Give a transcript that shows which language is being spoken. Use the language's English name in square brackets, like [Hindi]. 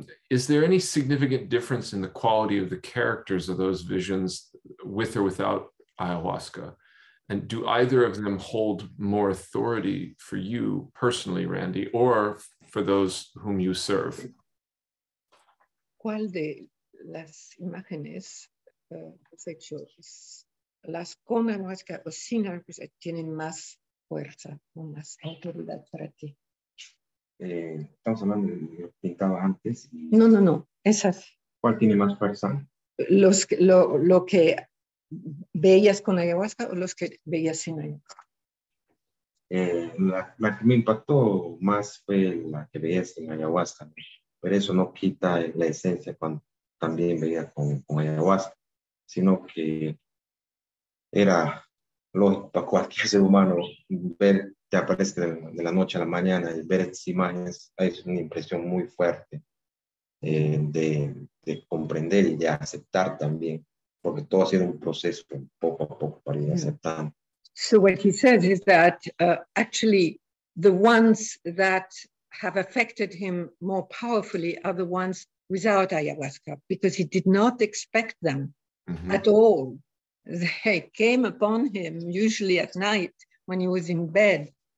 [English] Is there any significant difference in the quality of the characters of those visions with or without ayahuasca? And do either of them hold more authority for you personally, Randy, or for those whom you serve? [Spanish] ¿Cuál de las imágenes has hecho las con ayahuasca o sin ayahuasca tienen más fuerza o más autoridad para ti? Estamos hablando de lo que pintaba antes. No. Esas. ¿Cuál tiene más fuerza? Lo que veías con ayahuasca o los que veías sin ayahuasca. La que me impactó más fue la que veías sin ayahuasca. Pero eso no quita la esencia cuando también veía con ayahuasca, sino que era lógico para cualquier ser humano ver, te aparece de la noche a la mañana, y ver estas imágenes es una impresión muy fuerte de comprender y de aceptar también, porque todo ha sido un proceso poco a poco para ir aceptando. [English] So what he says is that actually the ones that have affected him more powerfully are the ones without ayahuasca, because he did not expect them at all. They came upon him usually at night when he was in bed.